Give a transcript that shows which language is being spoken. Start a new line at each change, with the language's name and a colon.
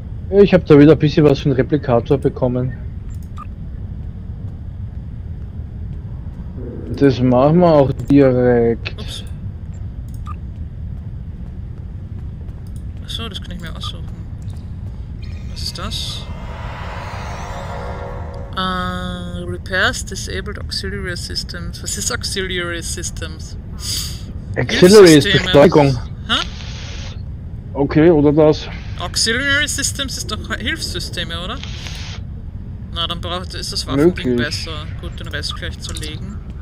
German: Ich habe da wieder ein bisschen was für den Replikator bekommen. Das machen wir auch direkt. Ups. Achso, das kann ich mir aussuchen. Das?
English: Repairs disabled auxiliary systems.
German: Was ist auxiliary systems? Auxiliary ist Beschleunigung. Hä? Okay, oder das? Auxiliary systems ist doch Hilfssysteme, oder? Na, dann braucht ist das Waffending möglich. Besser. Gut, den Rest gleich zu legen.